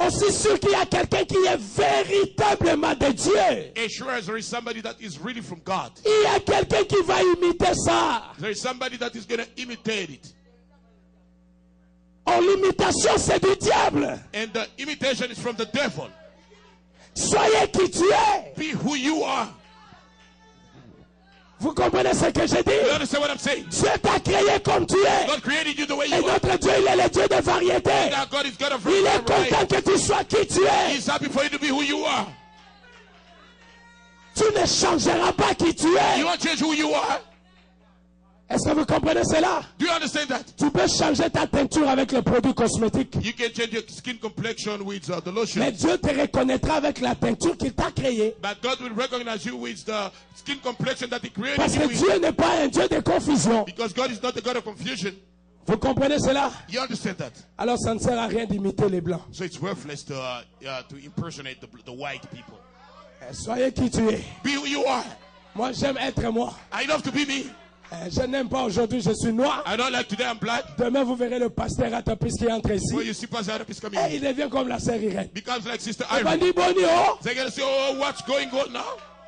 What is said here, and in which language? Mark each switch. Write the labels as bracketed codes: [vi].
[fr] Aussi sûr qu'il y a quelqu'un qui est véritablement de Dieu, [en] as sure as there is somebody that is really from God, [fr] il y a quelqu'un qui va imiter ça. [en] There is somebody that is going to imitate it. [fr] Oh, l'imitation c'est du diable. [en] And the imitation is from the devil. [fr] Soyez qui tu es. [en] Be who you are. [fr] Vous comprenez ce que je dis? [en] You understand what I'm saying? [fr] Dieu t'a créé comme tu es. [en] God created you the way you are. [fr] Et notre Dieu, il est le Dieu de variété. [en] God is God of [fr] variety. Il est content que tu sois qui tu es. [en] He's happy for you to be who you are. [fr] Tu ne changeras pas qui tu es. [en] You won't change who you are. [fr] Est-ce que vous comprenez cela? [en] Do you understand that? [fr] Tu peux changer ta teinture avec le produit cosmétique. [en] You can change your skin complexion with the lotion. [fr] Mais Dieu te reconnaîtra avec la teinture qu'il t'a créée. [en] But God will recognize you with the skin complexion that he created. [fr] Parce que Dieu [en] with. [fr] N'est pas un Dieu de confusion. [en] Because God is not the God of confusion. [fr] Vous comprenez cela? [en] You understand that? [fr] Alors ça ne sert à rien d'imiter les blancs. [en] So it's worthless to impersonate the white people. [fr] Soyez qui tu es. [en] Be who you are. [fr] Moi j'aime être moi. [en] I love to be me. [fr] Je n'aime pas aujourd'hui, je suis noir. [en] I don't like today, I'm black. [fr] Demain, vous verrez le pasteur Atapis qui entre ici. [en] Well, you see Pastor Atapis coming. [fr] Et il devient comme la sœur Irène. [en] Becomes like Sister Irene. [fr] Bon, [en] they gonna say, oh, what's going on now?